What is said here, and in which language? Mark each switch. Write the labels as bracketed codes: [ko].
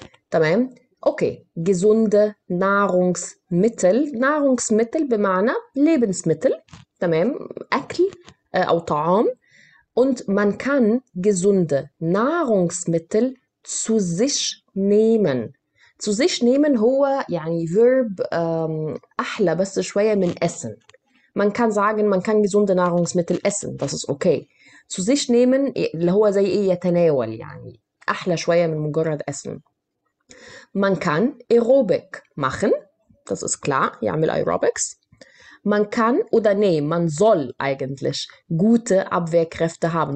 [ar] تمام؟ أوكي، [de] gesunde Nahrungsmittel، Nahrungsmittel بمعنى Lebensmittel، تمام؟ [ar] أكل أو طعام، [de] und man kann gesunde Nahrungsmittel zu sich nehmen. Zu sich nehmen [ar] هو يعني Verb أحلى بس شوية من essen. [de] Man kann sagen, man kann gesunde Nahrungsmittel essen, das ist okay. Zu sich nehmen [ar] اللي هو زي إيه يتناول يعني، أحلى شوية من مجرد essen. [de] Man kann Aerobic machen, das ist klar, [ar] يعمل [de] Aerobics. Man kann oder nee, man soll eigentlich gute Abwehrkräfte haben.